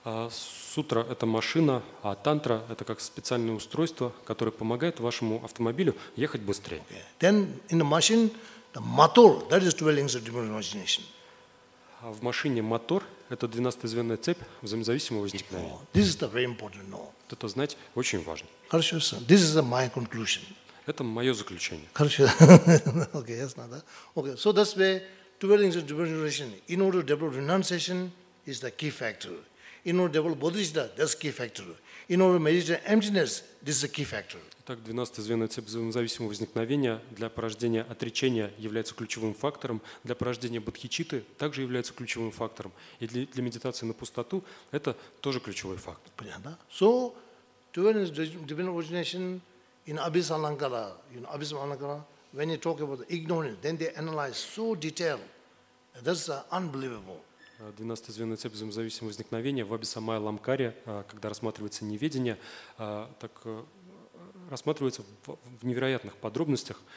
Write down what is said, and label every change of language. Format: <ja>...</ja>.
<ru>Сутра – это машина, а тантра – это как специальное устройство, которое помогает вашему автомобилю ехать быстрее.</ru> <en>Okay. Then in the machine, the motor, that is 12 links of dependent origination.</en> <ru>А в машине мотор – это 12-звенная цепь взаимозависимого возникновения.</ru> <en>Oh, this is the very important law.</en> <ru>Вот это знать очень важно.</ru> <en>Хорошо, this is my conclusion.</en> <ru>Это мое заключение.</ru> <en>Хорошо. Okay, yes, not that. Okay, so that's where 12 links of dependent origination, in order to develop renunciation, is the key factor. In order to develop bodhicitta, that's key factor. In order to meditate emptiness, this is a key factor.</en> <ru>Так, 12-звенная цепь взаимозависимого возникновения для порождения отречения является ключевым фактором. Для порождения бодхичитты также является ключевым фактором. И для медитации на пустоту это тоже ключевой фактор. Понятно?</ru> <en>So, to learn the dependent origination in Abhis Alankara, you know, Abhis Alankara, when you talk about the ignorance, then they analyze so detailed. That's unbelievable.</en> <ru>12-звенная цепь взаимозависимого возникновения в Абхисамая Ламкаре, когда рассматривается неведение, так рассматривается в невероятных подробностях.</ru>